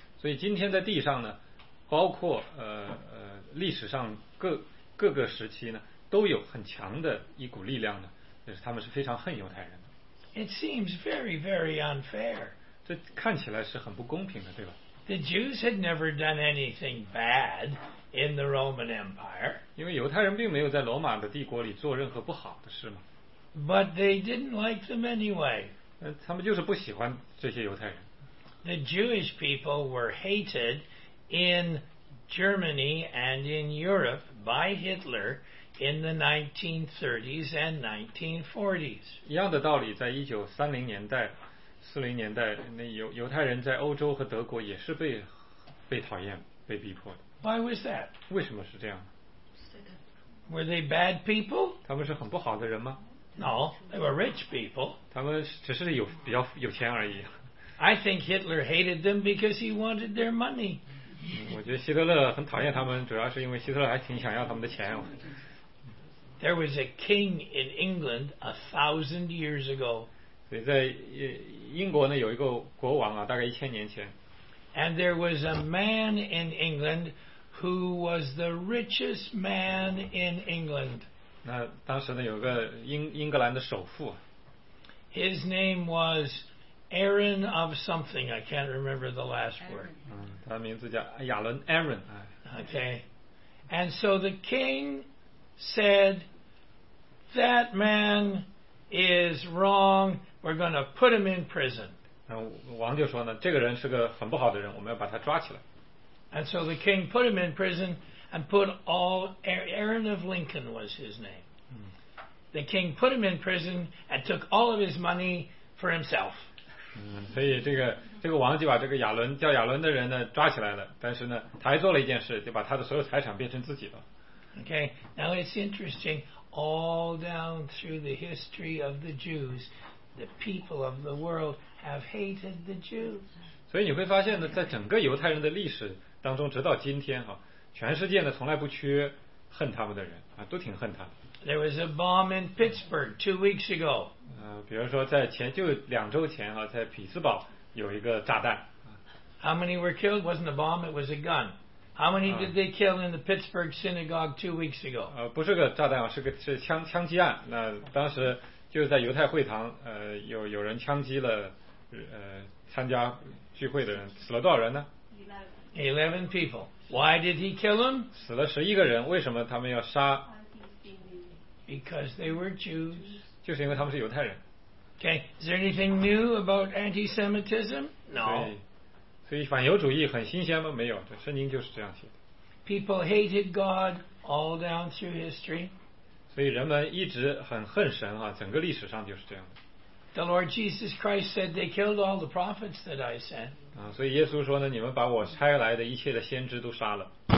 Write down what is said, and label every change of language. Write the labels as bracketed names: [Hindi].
[Chinese] 所以今天在地上呢，包括历史上各个时期呢，都有很强的一股力量呢，就是他们是非常恨犹太人的。 [English] It seems very very unfair. [Chinese] 这看起来是很不公平的，对吧？ [English] The Jews had never done anything bad in the Roman Empire. [Chinese] 因为犹太人并没有在罗马的帝国里做任何不好的事嘛。 [English] But they didn't like them anyway. [Chinese] 他们就是不喜欢这些犹太人。 [English] The Jewish people were hated in Germany and in Europe by Hitler in the 1930s and 1940s. [Chinese] 一样的道理，在1930年代、40年代，那犹太人在欧洲和德国也是被讨厌、被逼迫的。 [English] Why was that? [Chinese] 为什么是这样？ [English] Were they bad people? [Chinese] 他们是很不好的人吗？ [English] No, they were rich people. [Chinese] 他们只是有比较有钱而已。 [English] I think Hitler hated them because he wanted their money. [Chinese] 我觉得希特勒很讨厌他们，主要是因为希特勒还挺想要他们的钱。 [English] There was a king in England 1,000 years ago. [Chinese] 所以在英国呢有一个国王啊，大概1000年前。 [English] And there was a man in England who was the richest man in England. [Chinese] 那当时呢有个英格兰的首富。 [English] His name was Aaron of something. I can't remember the last word. [Chinese] 他的名字叫亚伦 Aaron. Okay. [English] And so the king said, that man is wrong. We're going to put him in prison. [Chinese] 王就说呢，这个人是个很不好的人，我们要把他抓起来。 [English] And so the king put him in prison and put all, Aaron of Lincoln was his name. The king put him in prison and took all of his money for himself. [Chinese] 所以这个王就把这个亚伦叫亚伦的人呢抓起来了，但是呢他还做了一件事，就把他的所有财产变成自己的。 [English] Okay, now it's interesting, all down through the history of the Jews, the people of the world have hated the Jews. [Chinese] 所以你会发现呢，在整个犹太人的历史当中，直到今天哈，全世界呢从来不缺恨他们的人啊，都挺恨他们。 [English] There was a bomb in Pittsburgh 2 weeks ago. [Chinese] 比如说在前就2周前哈，在匹兹堡有一个炸弹。 [English] How many were killed? Wasn't a bomb, it was a gun. How many did they kill in the Pittsburgh synagogue 2 weeks ago? [Chinese] 不是个炸弹啊，是枪击案。那当时就是在犹太会堂，有人枪击了，参加聚会的人，死了多少人呢？ [English] 11 people. Why did he kill them? [Chinese] 死了11个人，为什么他们要杀？ [English] Because they were Jews. [Chinese] 就是因为他们是犹太人。 [English] Okay, is there anything new about anti-Semitism? No. [Chinese] 所以反犹主义很新鲜吗？没有，圣经就是这样写的。 [English] People hated God all down through history. [Chinese] 所以人们一直很恨神啊，整个历史上就是这样的。 [English] The Lord Jesus Christ said they killed all the prophets that I sent. [Chinese] 所以耶稣说呢，你们把我差来的一切的先知都杀了。